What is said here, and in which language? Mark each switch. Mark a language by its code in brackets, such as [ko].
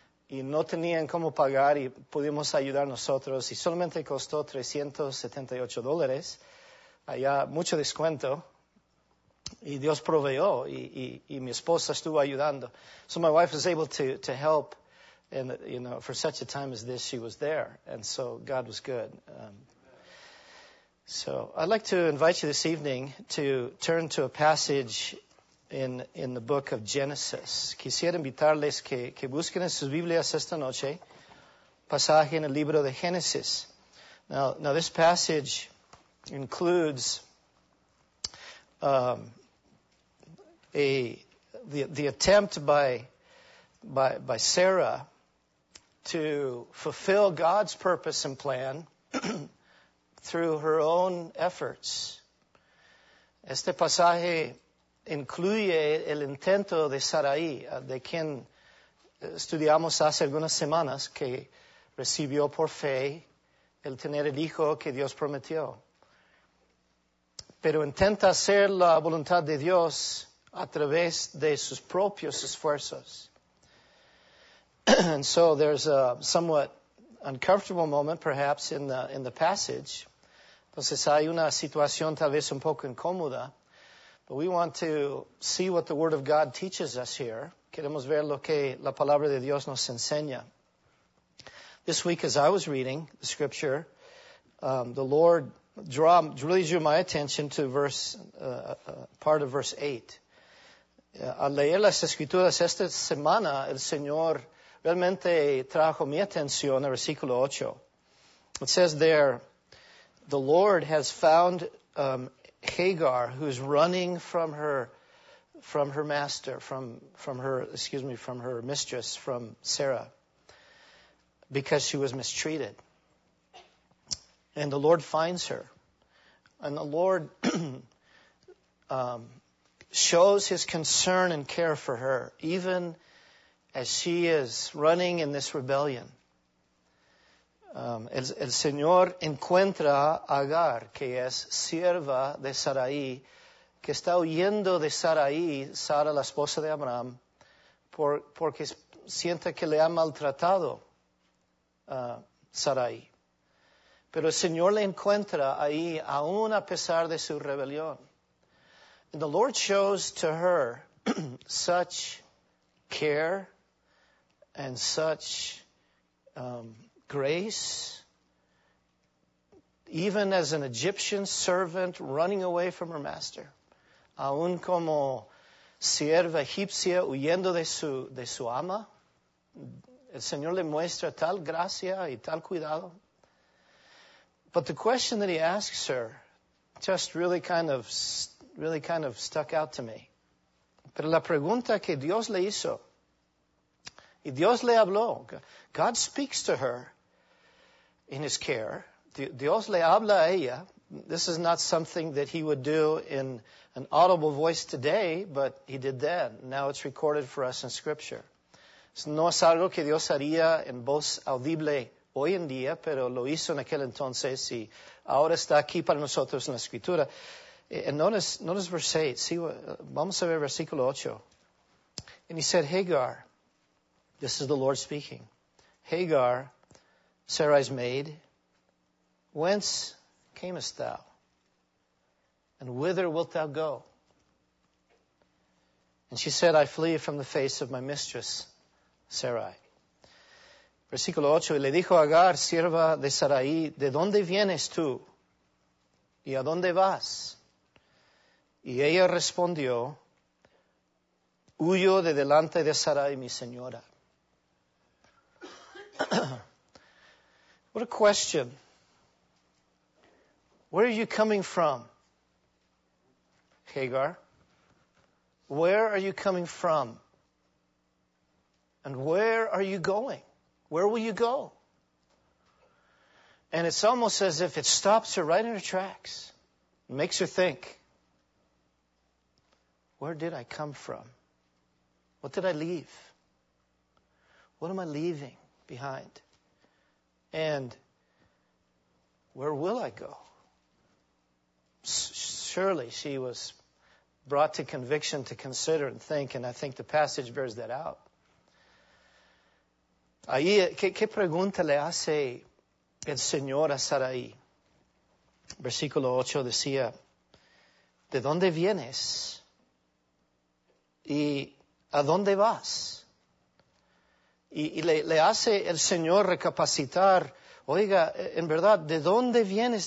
[es] Y no tenían cómo pagar y pudimos ayudar nosotros. Y solamente costó $378. Allá mucho descuento. Y Dios proveyó y mi esposa estuvo ayudando. [en] So my wife was able to help. And, you know, for such a time as this, she was there. And so God was good. So I'd like to invite you this evening to turn to a passage in the book of Genesis. [es] Quisiera invitarles que busquen en sus Biblias esta noche pasaje en el libro de Génesis. [en] Now this passage includes the attempt by Sarah to fulfill God's purpose and plan through her own efforts. [es] Este pasaje incluye el intento de Sarai, de quien estudiamos hace algunas semanas, que recibió por fe el tener el hijo que Dios prometió. Pero intenta hacer la voluntad de Dios a través de sus propios esfuerzos. [en] And so there's a somewhat uncomfortable moment, perhaps, in the passage. [es] Entonces hay una situación tal vez un poco incómoda. [en] But we want to see what the Word of God teaches us here. [es] Queremos ver lo que la Palabra de Dios nos enseña. [en] This week, as I was reading the Scripture, the Lord really drew my attention to part of verse 8. [es] Al leer las Escrituras esta semana, el Señor realmente trajo mi atención al versículo 8. [en] It says there, the Lord has found Hagar, who's running from her mistress, from Sarah, because she was mistreated. And the Lord finds her. And the Lord shows his concern and care for her, even as she is running in this rebellion. [es] El Señor encuentra a Agar, que es sierva de Sarai, que está huyendo de Sarai, Sara, la esposa de Abraham, porque siente que le ha maltratado Sarai. Pero el Señor le encuentra ahí, aún a pesar de su rebelión. [en] And the Lord shows to her such care and such grace. Even as an Egyptian servant running away from her master. [es] Aún como sierva egipcia huyendo de su ama. El Señor le muestra tal gracia y tal cuidado. [en] But the question that he asks her just really kind of stuck out to me. [es] Pero la pregunta que Dios le hizo, y Dios le habló, [en] God speaks to her in his care. [es] Dios le habla a ella. [en] This is not something that he would do in an audible voice today, but he did then. Now it's recorded for us in Scripture. [es] No es algo que Dios haría en voz audible hoy en día, pero lo hizo en aquel entonces y ahora está aquí para nosotros en la Escritura. [en] And notice verse 8. See what, [es] vamos a ver versículo 8. [en] And he said, Hagar, this is the Lord speaking, Hagar, Sarai's maid, whence camest thou? And whither wilt thou go? And she said, I flee from the face of my mistress, Sarai. [es] Versículo 8, y le dijo a Agar, sierva de Sarai, ¿de dónde vienes tú? ¿Y a dónde vas? Y ella respondió, huyo de delante de Sarai, mi señora. [en] What a question. Where are you coming from, Hagar? Where are you coming from? And where are you going? Where will you go? And it's almost as if it stops her right in her tracks. It makes her think, where did I come from? What did I leave? What am I leaving behind? And where will I go? Surely she was brought to conviction to consider and think, and I think the passage bears that out. [es] Ahí, ¿qué pregunta le hace el Señor a Sarai? Versículo 8 decía, ¿de dónde vienes? ¿Y a dónde vas? Y le hace el Señor recapacitar, oiga, en verdad, ¿de dónde vienes?